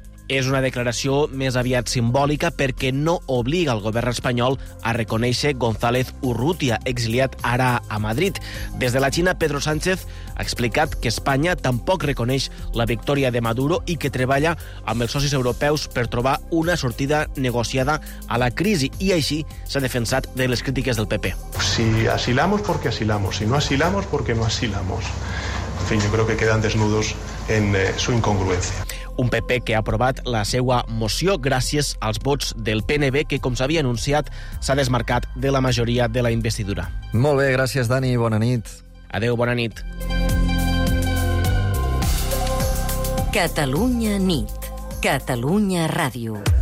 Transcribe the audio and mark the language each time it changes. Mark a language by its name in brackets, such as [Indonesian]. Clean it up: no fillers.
[Catalan] És una declaració més aviat simbòlica perquè no obliga el govern espanyol a reconèixer González Urrutia, exiliat ara a Madrid. Des de la Xina, Pedro Sánchez ha explicat que Espanya tampoc reconeix la victòria de Maduro i que treballa amb els socis europeus per trobar una sortida negociada a la crisi, i així s'ha defensat de les crítiques del PP. [Spanish] Si asilamos, porque asilamos. Si no asilamos, porque no asilamos. En fin, yo creo que quedan desnudos en su incongruencia. [Catalan] Un PP que ha aprovat la seua moció gràcies als vots del PNB, que, com s'havia anunciat, s'ha desmarcat de la majoria de la investidura. Molt bé, gràcies, Dani. Bona nit. Adeu, bona nit. Catalunya nit. Catalunya Ràdio.